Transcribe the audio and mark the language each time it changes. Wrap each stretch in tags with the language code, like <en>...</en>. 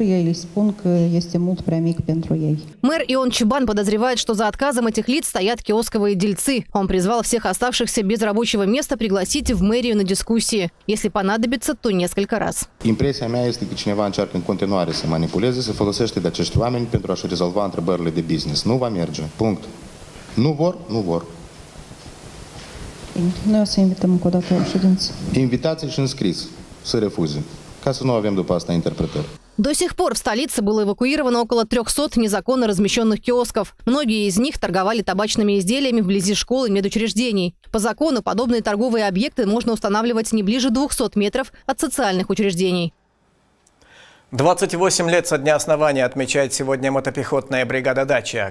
<ro>Ei îi spun că este mult prea mic pentru ei.</ro> <ru>Мэр Ион Чебан подозревает, что за отказом этих лиц стоят киосковые дельцы. Он призвал всех оставшихся без рабочего места пригласить в мэрию на дискуссии. Если понадобится, то несколько раз.</ru> <ro>Impresia mea este că cineva încearcă în continuare să manipuleze, să folosește de acești oameni pentru a-și rezolva întrebările de business. Nu va merge. Punct. Nu vor, nu vor. Noi o să invităm încă o dată la ședință. Invitații și înscris să refuze, ca să nu avem după asta interpretări.</ro> <ru>До сих пор в столице было эвакуировано около 300 незаконно размещенных киосков. Многие из них торговали табачными изделиями вблизи школ и медучреждений. По закону подобные торговые объекты можно устанавливать не ближе 200 метров от социальных учреждений. 28 лет со дня основания отмечает сегодня мотопехотная бригада «Дача».</ru>